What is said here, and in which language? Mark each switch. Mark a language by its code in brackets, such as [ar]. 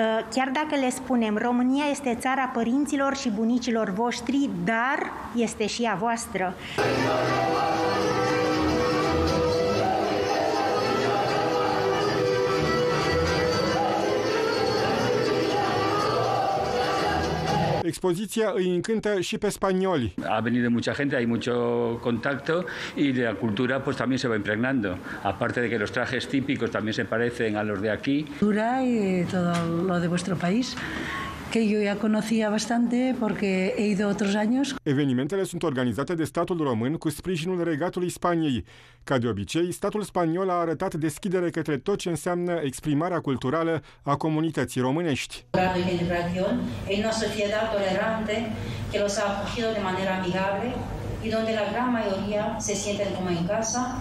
[ro] Chiar dacă le spunem, România este țara părinților și bunicilor voștri, dar este și a voastră. Expoziția îi încântă și pe spanioli. [es] A venit de mucha gente, hay mucho contacto y de la cultura pues también se va impregnando. Aparte de que los trajes típicos también se parecen a los de aquí. Cultura y todo lo de vuestro país, que yo ya conocía bastante porque he ido otros años. [ro] Evenimentele sunt organizate de statul român cu sprijinul regatului Spaniei. Ca de obicei, statul spaniol a arătat deschidere către tot ce înseamnă exprimarea culturală a comunității românești. [es] La migración en una sociedad tolerante que los ha acogido de manera amigable y donde la gran mayoría se sienten como en casa.